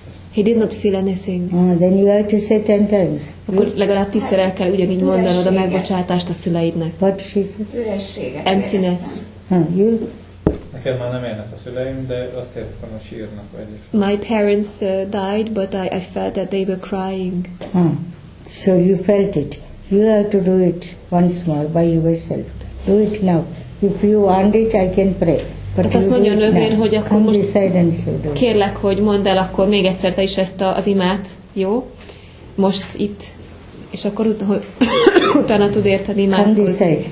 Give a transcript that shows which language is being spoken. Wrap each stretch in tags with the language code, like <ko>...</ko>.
<en>He did not feel anything. Then you have to say 10 times.</en> <hu>Akkor legalább 10-szer el kell ugyanígy mondanod a megbocsátást a szüleidnek.</hu> <en>What she said? Emptiness. You?</en> <hu>Nekem már nem élnek a szüleim, de azt éreztem, hogy sírnak vagyis.</hu> <en>My parents died, but I felt that they were crying. So you felt it. You have to do it once more by yourself. Do it now. If you want it, I can pray.</en> <hu>Tehát azt mondja a nővér, hogy akkor most kérlek, hogy mondd el akkor még egyszer te is ezt az imát, jó? Most itt. És akkor utána tud érteni imádkozni.</hu>